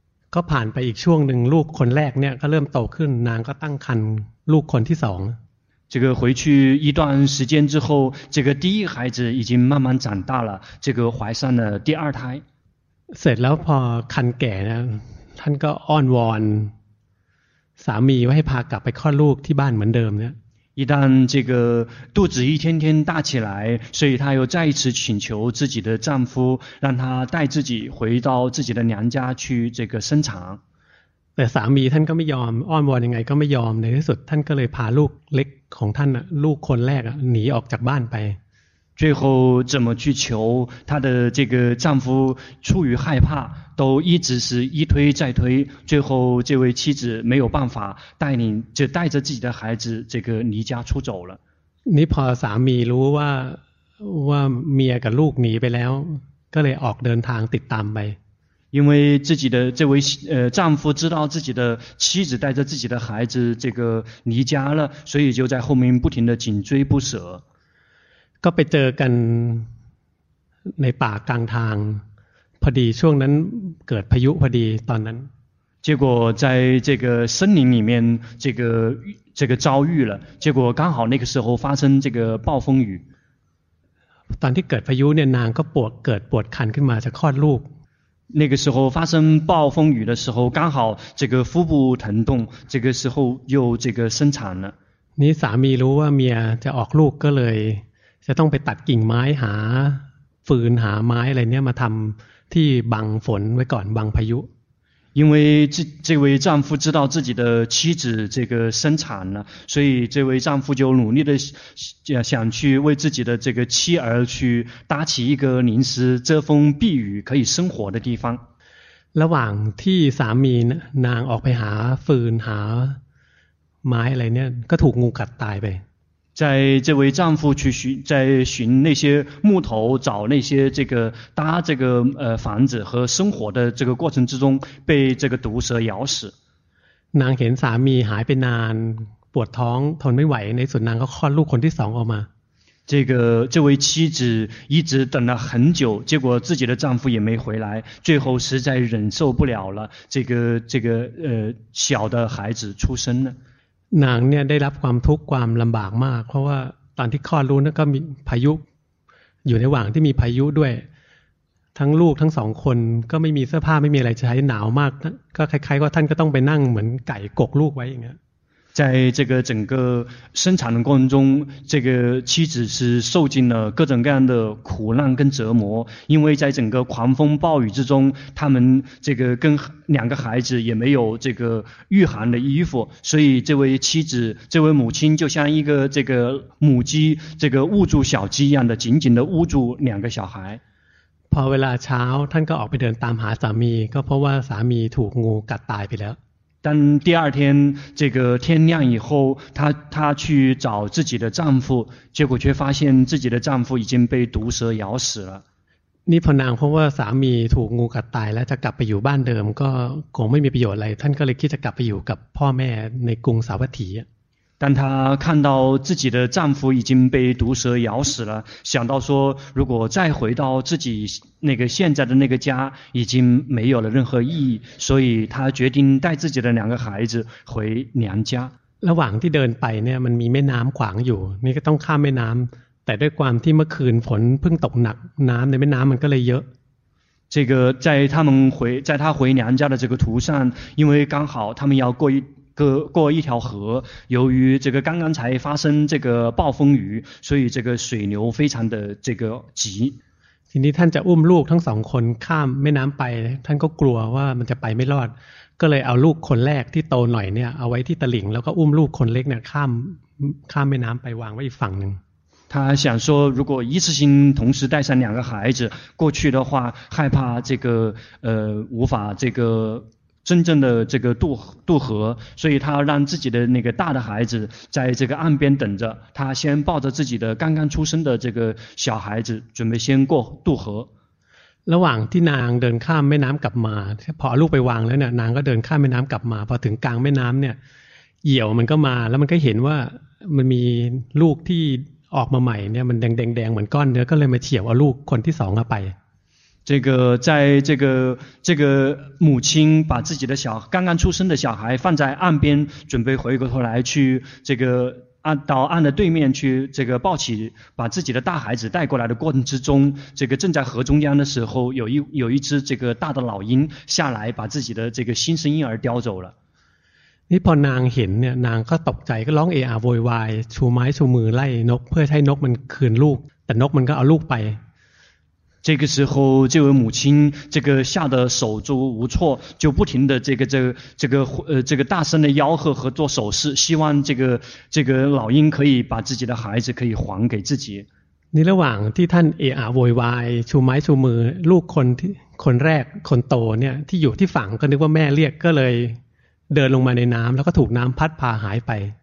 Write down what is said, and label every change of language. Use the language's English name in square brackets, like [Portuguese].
[Thai] ก็ผ่านไปอีกช่วงหนึ่งลูกคนแรกเนี่ยก็เริ่มโตขึ้นนางก็ตั้งครรภ์ลูกคนที่สอง [Chinese] 这个回去一段时间之后这个第一孩子已经慢慢长大了这个怀上了第二胎 [Thai] เสร็จแล้วพอคันแก่นะท่านก็อ้อนวอนสามีว่าให้พากลับไปคลอดลูกที่บ้านเหมือนเดิมเนี่ย [Chinese] 一旦这个肚子一天天大起来所以他又再一次请求自己的丈夫让他带自己回到自己的娘家去这个生产 [Thai] แต่สามีท่านก็ไม่ยอมอ้อนวอนยังไงก็ไม่ยอมในที่สุดท่านก็เลยพาลูกเล็กของท่านลูกคนแรกหนีออกจากบ้านไป [Chinese] 最后怎么去求她的这个丈夫出于害怕都一直是一推再推，最后这位妻子没有办法带领就带着自己的孩子这个离家出走了。你怕 [Thai] สามี รู้ว่า เมีย กับ ลูก หนี ไป แล้ว ก็ เลย ออก เดิน ทาง ติด ตาม ไป [Chinese] 因为自己的这位丈夫知道自己的妻子带着自己的孩子这个离家了，所以就在后面不停的紧追不舍。 [Thai] ก็ไปเจอกันในป่ากลางทางพอดีช่วงนั้นเกิดพายุพอดีตอนนั้น [Chinese] 结果在这个森林里面这个遭遇了，结果刚好那个时候发生这个暴风雨。 [Thai] ตอนที่เกิดพายุเนี่ยนางก็ปวดเกิดปวดครรภ์ขึ้นมาจะคลอดลูก [Chinese] 那个时候发生暴风雨的时候，刚好这个腹部疼痛，这个时候又这个生产了。你 [Thai] สามี รู้ว่าเมียจะออกลูกก็เลยจะต้องไปตัดกิ่งไม้หาฟืนหาไม้อะไรเนี่ยมาทำที่บังฝนไว้ก่อนบังพายุ [Chinese] 因为这位丈夫知道自己的妻子这个生产了，所以这位丈夫就努力的想去为自己的这个妻儿去搭起一个临时遮风避雨可以生活的地方。 [Thai] ระหว่างที่สามีนางออกไปหาฟืนหาไม้อะไรเนี่ยก็ถูกงูกัดตายไป [Chinese] 在这位丈夫去寻那些木头找那些这个搭这个房子和生活的这个过程之中被这个毒蛇咬死 [Thai] นางเห็นสามีหายไปนานปวดท้องทนไม่ไหวในสุดนางก็คลอดลูกคนที่สองออกมา [Chinese] 这位妻子一直等了很久结果自己的丈夫也没回来最后实在忍受不了了这个小的孩子出生了 [Thai] นางเนี่ยได้รับความทุกข์ความลำบากมากเพราะว่าตอนที่คลอดลูกนั้นก็มีพายุอยู่ในหว่างที่มีพายุด้วยทั้งลูกทั้งสองคนก็ไม่มีเสื้อผ้าไม่มีอะไรใช้หนาวมากก็คล้ายๆก็ท่านก็ต้องไปนั่งเหมือนไก่กกลูกไว้อย่างเงี้ย [Chinese] 在这个整个生产的过程中，这个妻子是受尽了各种各样的苦难跟折磨，因为在整个狂风暴雨之中，他们这个跟两个孩子也没有这个御寒的衣服，所以这位妻子，这位母亲就像一个这个母鸡，这个捂住小鸡一样的，紧紧的捂住两个小孩。 [Thai] พอเวลาเช้าท่านก็ออกไปเดินตามหาสามีก็เพราะว่าสามีถูกงูกัดตายไปแล้ว [Chinese] 但第二天这个天亮以后她去找自己的丈夫结果却发现自己的丈夫已经被毒蛇咬死了 [Thai] นี่พอนางพบว่าสามีถูกงูกัดตายแล้วจะกลับไปอยู่บ้านเดิมก็คงไม่มีประโยชน์อะไรท่านก็เลยคิดจะกลับไปอยู่กับพ่อแม่ในกรุงสาวัตถี [Chinese] 但她看到自己的丈夫已经被毒蛇咬死了想到说如果再回到自己那个现在的那个家已经没有了任何意义所以她决定带自己的两个孩子回娘家 [Thai] ระหว่างที่เดินไปเนี่ยมันมีแม่น้ำขวางอยู่นี่ก็ต้องข้ามแม่น้ำแต่ด้วยความที่เมื่อคืนฝนเพิ่งตกหนักน้ำในแม่น้ำมันก็เลยเยอะ [Chinese] 这个在她回娘家的这个途上因为刚好他们要过一条河由于这个刚刚才发生这个暴风雨所以这个水流非常的这个急 [Thai] ทีนี้ท่านจะอุ้มลูกทั้งสองคนข้ามแม่น้ำไปท่านก็กลัวว่ามันจะไปไม่รอดก็เลยเอาลูกคนแรกที่โตหน่อยเนี่ยเอาไว้ที่ตะหลิ่งแล้วก็อุ้มลูกคนเล็กเนี่ยข้ามแม่น้ำไปวางไว้อีกฝั่งนึง [Chinese] 他想说如果一次性同时带上两个孩子过去的话害怕这个无法这个真正的这个渡河所以他让自己的那个大的孩子在这个岸边等着他先抱着自己的刚刚出生的这个小孩子准备先过渡河 [Thai] ระหว่างที่นางเดินข้ามแม่น้ำกลับมาพอลูกไปวางแล้วเนี่ยนางก็เดินข้ามแม่น้ำกลับมาพอถึงกลางแม่น้ำเนี่ยเหี่ยวมันก็มาแล้วมันก็เห็นว่ามันมีลูกที่ออกมาใหม่เนี่ยมันแดงๆเหมือนก้อนเนื้อก็เลยมาเฉียวเอาลูกคนที่สองไป [Chinese] 这个在这个母亲把自己的小刚刚出生的小孩放在岸边准备回过头来去这个到岸的对面去这个抱起把自己的大孩子带过来的过程之中这个正在河中央的时候有一只这个大的老鹰下来把自己的这个新生婴儿叼走了 [Thai] นี่พอนางเห็นเนี่ยนางก็ตกใจก็ร้องเออะโวยวายชูไม้ชูมือไล่นกเพื่อให้นกมันคืนลูกแต่นกมันก็เอาลูกไป [Chinese] 这个时候这位母亲这个吓得手足无措就不停的这个大声的吆喝和做手势希望这个老鹰可以把自己的孩子可以还给自己。 [Thai] นี่ระหว่างที่ท่านเอะอะโวยวายชูไม้ชูมือลูกคนที่คนแรกคนโตเนี่ยที่อยู่ที่ฝั่งก็นึกว่าแม่เรียกก็เลยเดินลงมาในน้ำแล้วก็ถูกน้ำพัดพาหายไป